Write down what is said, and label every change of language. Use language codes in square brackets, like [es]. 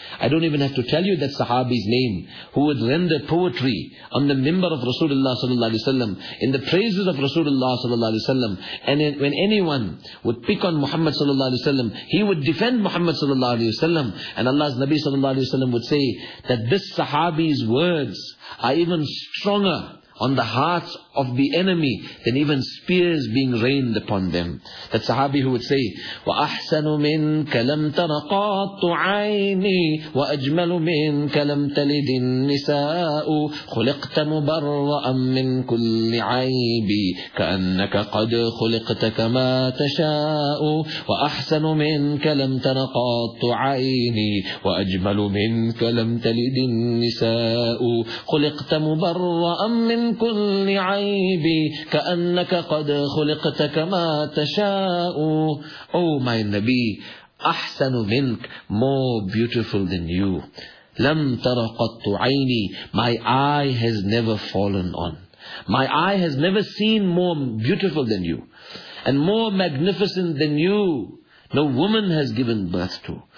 [en] I don't even have to tell you that Sahabi's name, who would render poetry on the minbar of Rasulullah sallallahu alaihi wasallam, in the praises of Rasulullah sallallahu alaihi wasallam, and when anyone would pick on Muhammad sallallahu alaihi wasallam, he would defend Muhammad sallallahu alaihi wasallam, and Allah's Nabi sallallahu alaihi wasallam would say that this Sahabi's words are even stronger on the hearts of the enemy than even spears being rained upon them. That Sahabi who would say, [ar] وَأَحْسَنُ مِنْكَ لَمْ تَرَقَاطُ عَيْنِي وَأَجْمَلُ مِنْكَ لَمْ تَلِدِ النِّسَاءُ خُلِقْتَ مُبَرَّأً مِنْ كُلِّ عَيْبِي كَأَنَّكَ قَدْ خُلِقْتَ كَمَا تَشَاءُ وَأَحْسَنُ مِنْكَ لَمْ تَرَقَاطُ عَيْنِي وَأَجْمَلُ مِنْكَ لَمْ تَلِدِ النِّسَاءُ خُلِقْتَ مُبَرَّأً مِنْ كُلِّ عيبي كأنك قد خلقت كما تشاء. [en] Oh my Nabi, [ar] أحسن منك, [en] more beautiful than you. [ar] لم تر قط عيني, [en] my eye has never fallen on. My eye has never seen more beautiful than you. And more magnificent than you, no woman has given birth to.